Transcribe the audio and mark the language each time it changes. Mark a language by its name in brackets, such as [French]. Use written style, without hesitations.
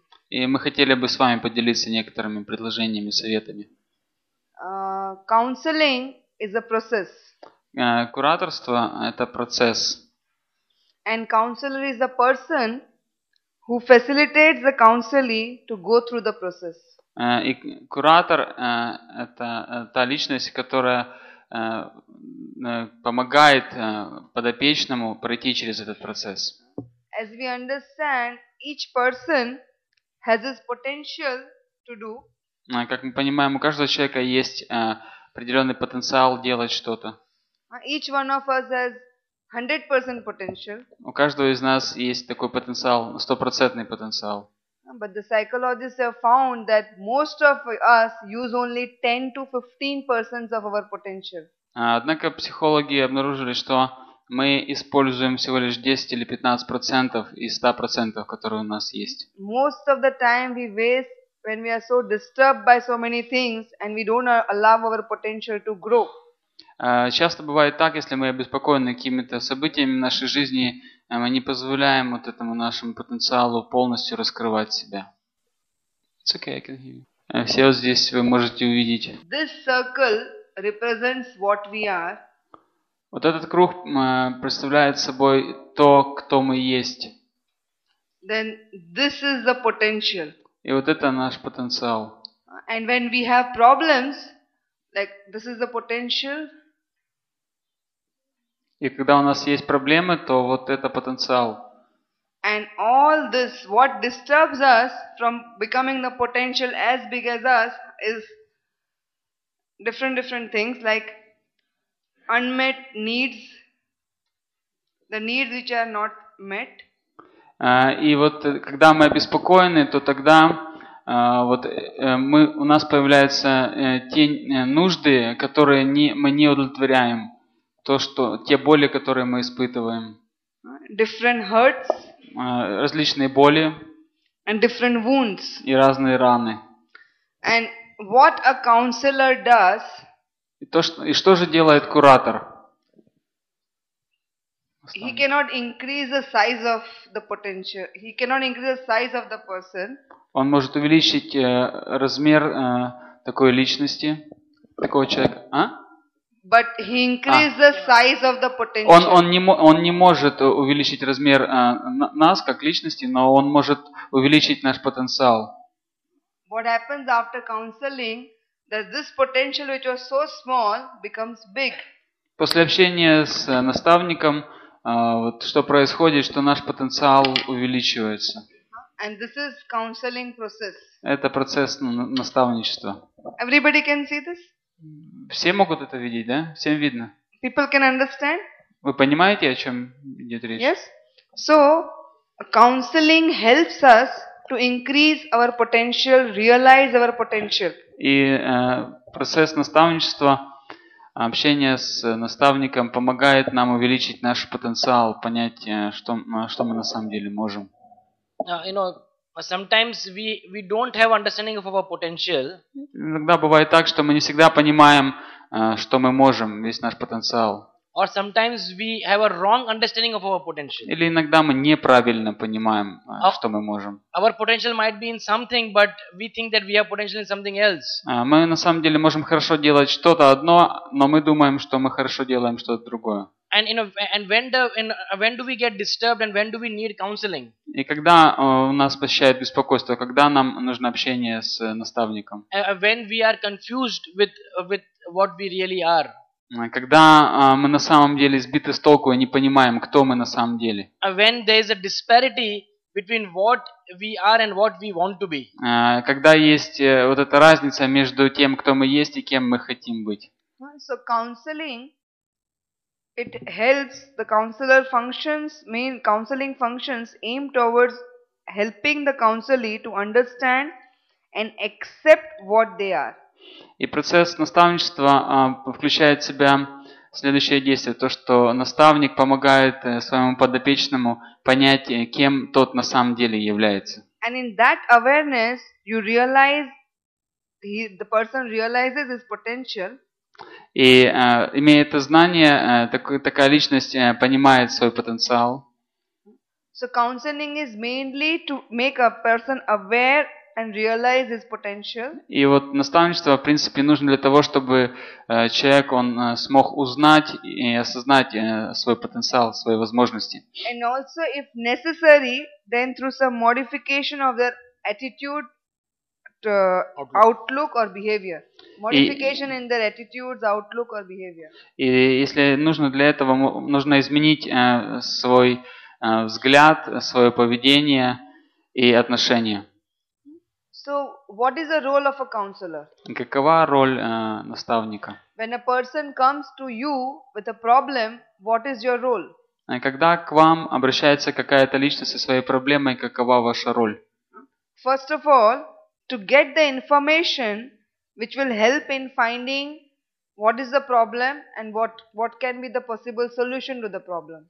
[Russian] И мы хотели бы с вами поделиться некоторыми предложениями, советами. [English] Counseling is a process. [Russian] Кураторство – это процесс. [English] And counselor is a person who facilitates the counselee to go through the process. [Russian] И куратор – это та личность, которая помогает подопечному пройти через этот процесс. [English] As we understand, each person has his potential to do. [Russian] Как мы понимаем, у каждого человека есть определенный потенциал делать что-то. [English] Each one of us has 100% potential. [Russian] У каждого из нас есть такой потенциал, 100% потенциал. [English] But the psychologists have found that most of us use only 10-15% of our potential. [Russian] Однако психологи обнаружили, что мы используем всего лишь 10-15% из 100%, которые у нас есть. [English] Most of the time we waste when we are so disturbed by so many things and we don't allow our potential to grow. [Russian] Часто бывает так, если мы обеспокоены какими-то событиями в нашей жизни, мы не позволяем вот этому нашему потенциалу полностью раскрывать себя. [English] It's okay, I can hear you. [Russian] Все вот здесь вы можете увидеть. [English] This circle represents what we are. [Russian] Вот этот круг представляет собой то, кто мы есть. [English] Then this is the potential. [Russian] И вот это наш потенциал. [English] And when we have problems, like this is the potential. [Russian] И когда у нас есть проблемы, то вот это потенциал. [English] And all this, what disturbs us from becoming the potential as big as us is different things like unmet needs, the needs which are not met. [Russian] И вот когда мы обеспокоены, то тогда у нас появляются те нужды, которые мы не удовлетворяем. Те боли, которые мы испытываем. [English] Different hurts. [Russian] Различные боли. [English] And different wounds. [Russian] И разные раны. [English] And what a counselor does. [Russian] И что же делает куратор? [English] He cannot increase the size of the potential. He cannot increase the size of the person. [Russian] Он может увеличить размер такой личности, такого человека. А? [English] But he increases the size of the potential. [Russian] Он не может увеличить размер нас как личности, но он может увеличить наш потенциал. [English] What happens after counseling that this potential which was so small becomes big. [Russian] После общения с наставником, вот что происходит, что наш потенциал увеличивается. [English] And this is counseling process. [Russian] Это процесс наставничества. [English] Everybody can see this? [Russian] Все могут это видеть, да? Всем видно? [English] People can understand? [Russian] Вы понимаете, о чем идет речь? [English] Yes. So, counseling helps us to increase our potential, realize our potential. [Russian] И процесс наставничества, общение с наставником помогает нам увеличить наш потенциал, понять, что мы на самом деле можем. [English] Sometimes we don't have understanding of our potential. [Russian] Иногда бывает так, что мы не всегда понимаем, что мы можем, весь наш потенциал. [English] Or sometimes we have a wrong understanding of our potential. [Russian] Или иногда мы неправильно понимаем, что мы можем. [English] Our potential might be in something, but we think that we have potential in something else. [Russian] Мы на самом деле можем хорошо делать что-то одно, но мы думаем, что мы хорошо делаем что-то другое. [English] And you know, and when do we get disturbed and when do we need counseling? [Russian] И когда у нас посещает беспокойство, когда нам нужно общение с наставником? [English] When we are confused with what we really are. [Russian] Когда мы на самом деле сбиты с толку и не понимаем, кто мы на самом деле. [English] When there is a disparity between what we are and what we want to be. [Russian] Когда есть вот эта разница между тем, кто мы есть и кем мы хотим быть. [English] So counseling. It helps the counselor functions, mean counseling functions aim towards helping the counselee to understand and accept what they are. [Russian] И процесс наставничества включает в себя следующее действие, то, что наставник помогает своему подопечному понять, кем тот на самом деле является. [English] And in that awareness, you realize the person realizes his potential. [Russian] И имея это знание, такая личность понимает свой потенциал. [English] So counseling is mainly to make a person aware and realize his potential. [Russian] И вот наставничество, в принципе, нужно для того, чтобы человек он смог узнать и осознать свой потенциал, свои возможности. [English] And also, if necessary, then through some modification of their attitude, outlook or behavior. Modification in their attitudes, outlook or behavior. [Russian] И если нужно для этого, нужно изменить свой взгляд, свое поведение и отношения. [English] So, what is the role of a counselor? [Russian] Какова роль наставника? [English] When a person comes to you with a problem, what is your role? [Russian] Когда к вам обращается какая-то личность со своей проблемой, какова ваша роль? [English] First of all, to get the information which will help in finding what is the problem and what can be the possible solution to the problem.